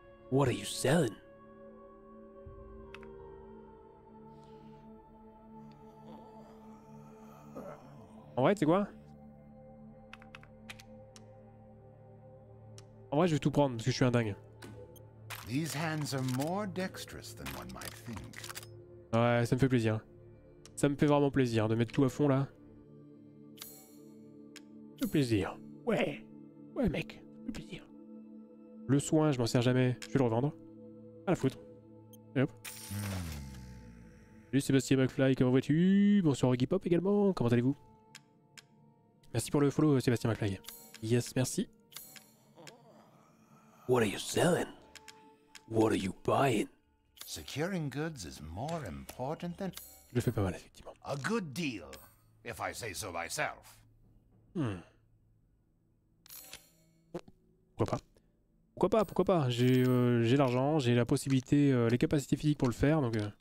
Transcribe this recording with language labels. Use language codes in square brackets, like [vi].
[en] What are you selling? [fr] En vrai, c'est quoi? En vrai, je vais tout prendre parce que je suis un dingue. [en] These hands are more dexterous than one might think. [fr] Ouais, ça me fait plaisir. Ça me fait vraiment plaisir de mettre tout à fond là. Tout plaisir. Ouais. Ouais, mec. Tout plaisir. Le soin, je m'en sers jamais, je vais le revendre. À la foutre. Et hop. Salut Sébastien McFly, comment vas-tu? Bonsoir Iggy Pop également, comment allez-vous? Merci pour le follow Sébastien McFly. Yes, merci. [en] What are you selling? What are you buying? Securing goods is more important than... [fr] Je fais pas mal, effectivement. [en] A good deal. if I say so myself. Hmm. [fr] Pourquoi pas? Pourquoi pas? Pourquoi pas? J'ai l'argent, j'ai la possibilité, les capacités physiques pour le faire, donc.